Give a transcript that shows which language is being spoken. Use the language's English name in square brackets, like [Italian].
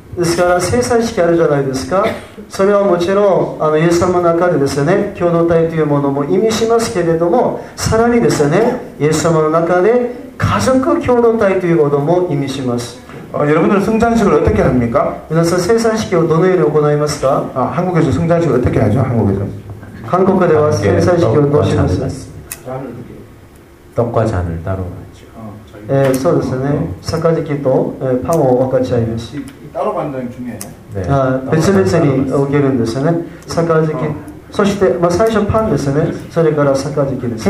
[Japanese] ですから聖餐式あるじゃないですか。それはもちろんイエス様の中でですね、共同体というものも意味しますけれども、さらにですね、イエス様の中で家族共同体ということも意味します。 [Korean] 여러분들은성찬식을어떻게합니까 [Japanese] 皆さん聖餐式をどのように行いますか [Korean] 한국에서성찬식을어떻게하죠한국에서 [Japanese] 韓国では聖餐式をどうしますか [Korean] 떡과잔을따로 [Japanese] そうですね、杯と、パンを分かち合いますし [Korean] 따로 받는중에 [Japanese] 別々に受けるんですね。サカジキ、そして、まあ、最初パンですね。それからサカジキです。